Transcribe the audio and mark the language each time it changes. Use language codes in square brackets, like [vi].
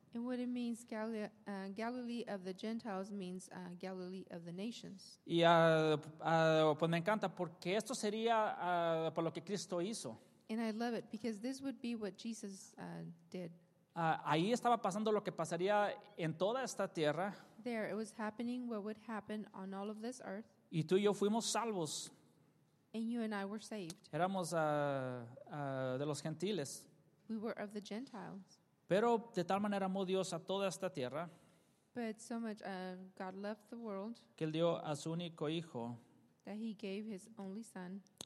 [en] And what it means, Galilee of the Gentiles means Galilee of the nations. [es] Y pues me encanta porque esto sería por lo que Cristo hizo. [en] And I love it because this would be what Jesus did. [es] Ahí estaba pasando lo que pasaría en toda esta tierra. [en] There, it was happening what would happen on all of this earth. [es] Y tú y yo fuimos salvos. [en] And you and I were saved. [es] Éramos de los gentiles. [en] We were of the Gentiles. [es] Pero de tal manera amó Dios a toda esta tierra [en] so much, God loved the world, [es] que Él dio a su único hijo [en] that he gave his only son.